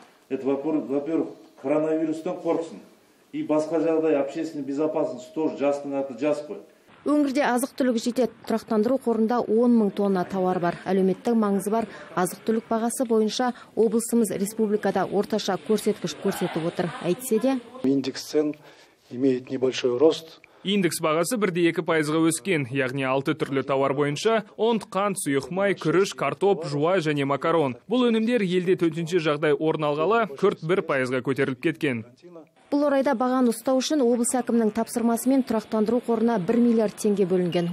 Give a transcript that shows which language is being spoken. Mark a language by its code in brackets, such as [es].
[kk] Во-первых, коронавирустан қорықсын. И басқа жағдай [ru] общественный безопасность тоже [kk] жастың аты жас қой. Өңірде азық-түлік жетеді. Тұрақтандыру қорында 10 мың тонна тауар бар. Әлеуметтік маңызы бар азық-түлік бағасы бойынша облысымыз республикада орташа көрсеткіш көрсетіп отыр. Әйтсе де, [ru] индекс цен имеет небольшой рост, [kk] Индекс бағасы 1-2% өскен, яғни 6 түрлі тауар бойынша, онт, қант, сұйық май, күріш, картоп, жуай және макарон. Бұл өнімдер елде төтінші жағдай орын алғалы 41%-ға көтеріліп кеткен. Бұл орайда бағаны ұстау үшін облыс әкімінің тапсырмасымен тұрақтандыру қорына 1 миллиард теңге бөлінген.